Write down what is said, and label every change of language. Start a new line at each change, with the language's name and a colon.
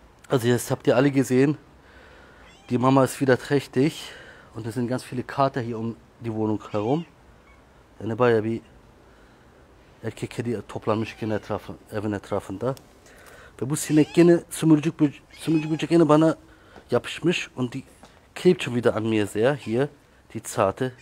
German: Also jetzt habt ihr alle gesehen, die Mama ist wieder trächtig und es sind ganz viele Kater hier um die Wohnung herum.
Turkish: Yani bayağı bir erkek kedi toplanmış yine evin etrafında. Ve bu sinek yine sümürcük böcek yine bana yapışmış
German: und die klebt schon wieder an mir sehr hier, die zarte.